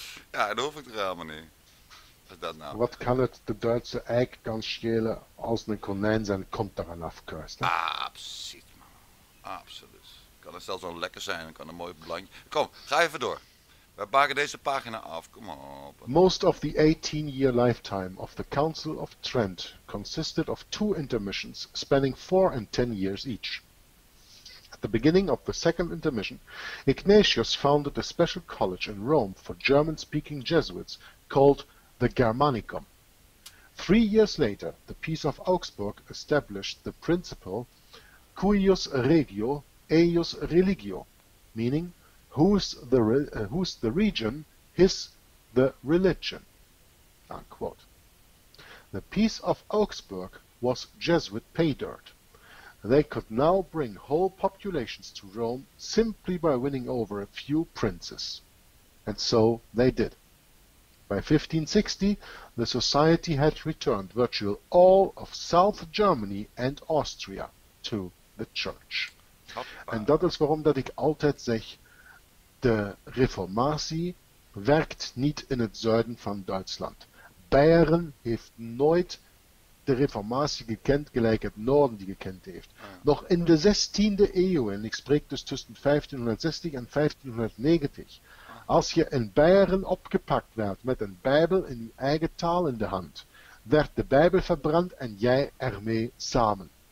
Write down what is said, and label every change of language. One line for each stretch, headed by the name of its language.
Dutch: Ja, dat hoef ik er helemaal niet. Wat is dat nou? Wat kan het de Duitse eik kan schelen als een konijn zijn kont eraan afkuist? Absoluut, man. Absoluut. Kan het zelfs wel lekker zijn, kan een mooi blandje. Kom, ga even door. We maken deze pagina af, kom op.
English: Most of the 18-year lifetime of the Council of Trent consisted of two intermissions spanning 4 and 10 years each. At the beginning of the second intermission, Ignatius founded a special college in Rome for German-speaking Jesuits called the Germanicum. 3 years later, the Peace of Augsburg established the principle
Latin: cuius regio, eius religio,
English: meaning who's the region, his the religion. Unquote. The Peace of Augsburg was Jesuit pay dirt. They could now bring whole populations to Rome simply by winning over a few princes. And so they did. By 1560, the society had returned virtually all of South Germany and Austria to the church. And that is
Dutch: waarom dat ik altijd zeg, de Reformatie werkt niet in het zuiden van Duitsland. Bayern heeft nooit de Reformatie gekend, gelijk het Noorden die gekend heeft. Ja. Nog in de 16e eeuw, en ik spreek dus tussen 1560 en 1590, als je in Beieren opgepakt werd met een Bijbel in je eigen taal in de hand, werd de Bijbel verbrand en jij ermee samen.